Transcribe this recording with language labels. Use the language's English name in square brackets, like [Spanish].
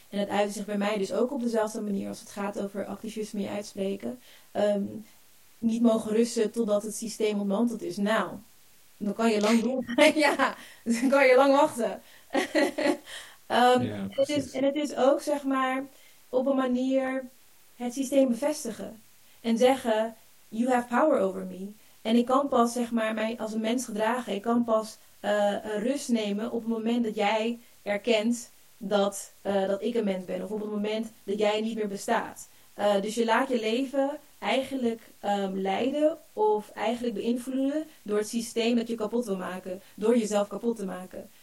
[Dutch] En het uit zich bij mij dus ook op dezelfde manier als het gaat over activisme je uitspreken. Niet mogen rusten totdat het systeem ontmanteld is. Nou, dan kan je lang doen. Ja, dan kan je lang wachten. het is ook, zeg maar, op een manier het systeem bevestigen. En zeggen, [English] you have power over me. [Dutch] En ik kan pas, zeg maar, mij als een mens gedragen. Ik kan pas rust nemen op het moment dat jij erkent dat ik een mens ben. Of op het moment dat jij niet meer bestaat. Dus je laat je leven eigenlijk leiden of eigenlijk beïnvloeden door het systeem dat je kapot wil maken, door jezelf kapot te maken.